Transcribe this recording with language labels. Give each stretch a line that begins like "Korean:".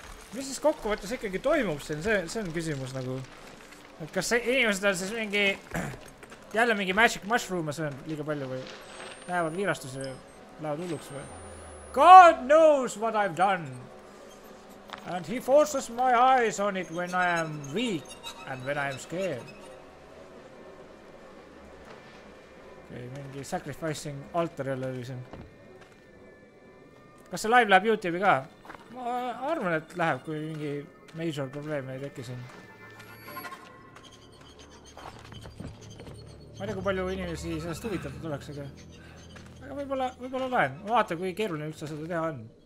Estonian: Mis siis kokkuvõttes ikkagi toimub siin? See on küsimus nagu. Et kas see inimesed on siis mingi... Jälle mingi magic mushroom ma söön liiga palju või näevad viirastuse ja lähevad hulluks või?
English: God knows what I've done! And he forces my eyes on it when I am weak and when I am scared.
Estonian: Okei, okay, mingi
English: sacrificing altar
Estonian: jälle oli siin. Kas see live läheb YouTube'i ka? Ma arvan, et läheb, kui mingi major probleem ei teki siin. Ma ei tea, kui palju inimesi sellest huvitatud oleks, aga võibolla laen. Vaata, kui keeruline üldse seda teha on.